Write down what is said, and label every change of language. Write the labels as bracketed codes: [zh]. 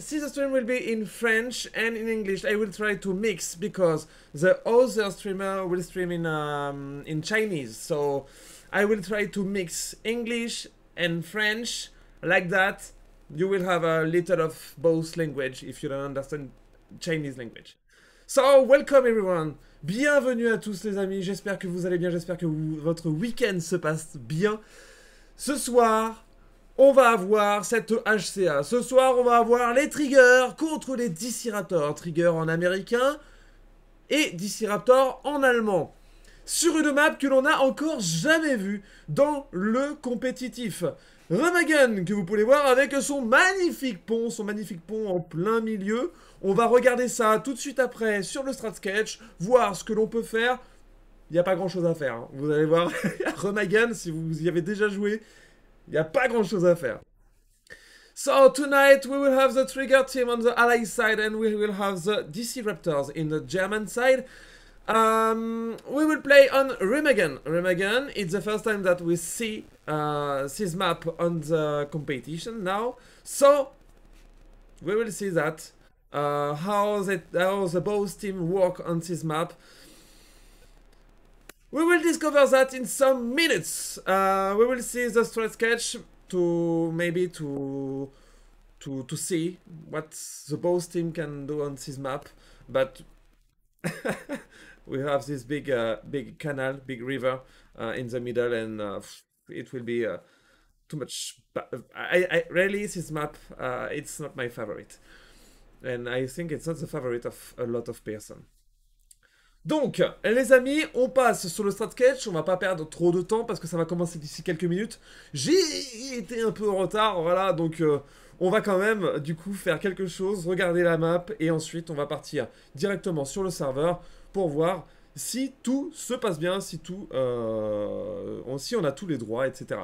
[en] Season stream will be in French and in English. I will try to mix because the other streamer will stream in Chinese. So I will try to mix English and French like that. You will have a little of both language if you don't understand Chinese language. So, welcome everyone. [fr] Bienvenue à tous les amis. J'espère que vous allez bien. J'espère que votre week-end se passe bien. Ce soir, on va avoir cette HCA. Ce soir, on va avoir les Triggers contre les DC Raptors. Triggers en américain et DC Raptors en allemand. Sur une map que l'on n'a encore jamais vue dans le compétitif. Remagen, que vous pouvez voir avec son magnifique pont en plein milieu. On va regarder ça tout de suite après sur le Strat Sketch, voir ce que l'on peut faire. Il n'y a pas grand chose à faire, hein. Vous allez voir. Remagen, si vous y avez déjà joué, il n'y a pas grand chose à faire. [en] So, tonight we will have the Trigger team on the Ally side and we will have the DC Raptors in the German side. We will play on Remagen. Remagen, it's the first time that we see this map on the competition now. So, we will see that. How the both team work on this map. We will discover that in some minutes. We will see the strat sketch to see what the both team can do on this map. But... We have this big big river in the middle and it will be too much. I really, this map, it's not my favorite. And I think it's not the favorite of a lot of person. [fr] Donc, les amis, on passe sur le strat sketch. On va pas perdre trop de temps parce que ça va commencer d'ici quelques minutes. J'ai été un peu en retard, voilà. Donc, on va quand même, du coup, faire quelque chose, regarder la map. Et ensuite, on va partir directement sur le serveur. Pour voir si tout se passe bien, si on a tous les droits, etc.